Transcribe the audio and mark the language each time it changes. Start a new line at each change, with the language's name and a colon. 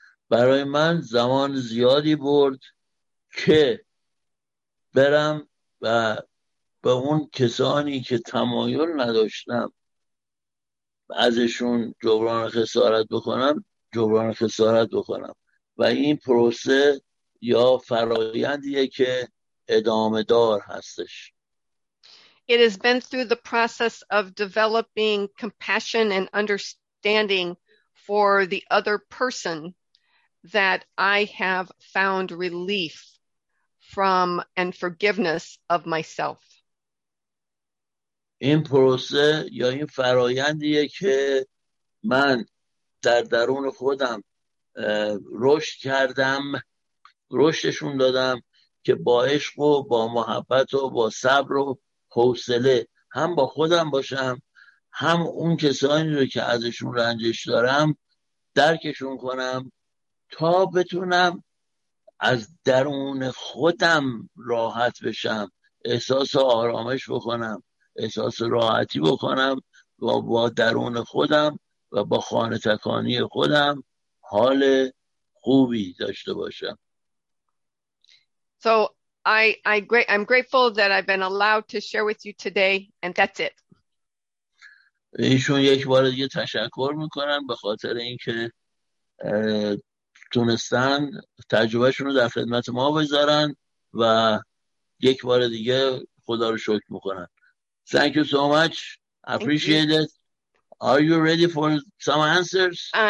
Persian: برای من زمان زیادی برد که برم و به اون کسانی که تمایل نداشتم ازشون جبران خسارت بکنم جبران خسارت بکنم، و این پروسه یا فرایندیه که ادامه دار هستش.
English: It has been through the process of developing compassion and understanding for the other person that I have found relief from and forgiveness of myself.
Persian: این پروسه یا این فرایندیه که من در درون خودم رشد کردم، رشدشون دادم که با عشق و با محبت و با صبر و حوصله هم با خودم باشم، هم اون کسانی رو که ازشون رنجش دارم درکشون کنم، تا بتونم از درون خودم راحت بشم، احساس آرامش بکنم، احساس راحتی بکنم و با درون خودم و با خانه تکانی خودم حال خوبی داشته باشم.
English: So I'm grateful that I've been allowed to share with you today, and that's it.
Persian: ایشون یک بار دیگه تشکر میکنن به خاطر اینکه تونستن تجربهشون رو در خدمت ما بذارن و یک بار دیگه خدا رو شکر میکنن.
English: Thank you so much. Appreciate it. Are you ready for some answers?